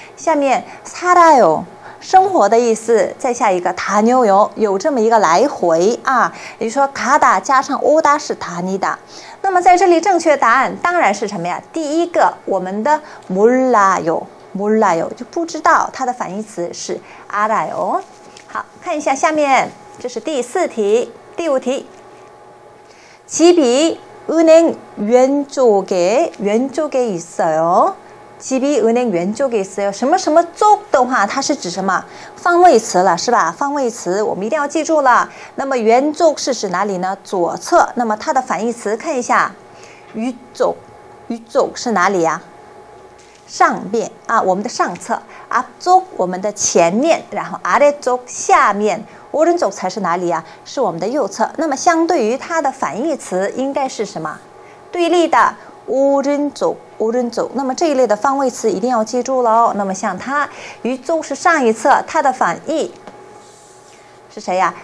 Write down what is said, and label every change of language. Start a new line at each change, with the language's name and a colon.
Chinese: 下面살아요，生活的意思。再下一个다녀요，有这么一个来回啊，也就是说가다加上오다是다니다。那么在这里正确答案当然是什么呀？第一个我们的몰라요，몰라요就不知道，它的反义词是알아요。好，看一下下面，这是第四题。第五题집이
Korean: 은행 왼쪽에 왼쪽에 있어요. 집이 은행 왼쪽에 있어요.
Chinese: 什么什么쪽的话，它是指什么？方位词了，是吧？方位词我们一定要记住了。那么왼쪽是指哪里呢？左侧。那么它的反义词看一下，위쪽，위쪽是哪里呀？上面啊，我们的上侧 ，앞쪽 我们的前面，然后 아래쪽 下面 오른쪽 才是哪里啊？是我们的右侧。那么相对于它的反义词应该是什么？对立的 오른쪽 오른쪽 那么这一类的方位词一定要记住了哦。那么像它，위쪽是上一侧，它的反义是谁呀？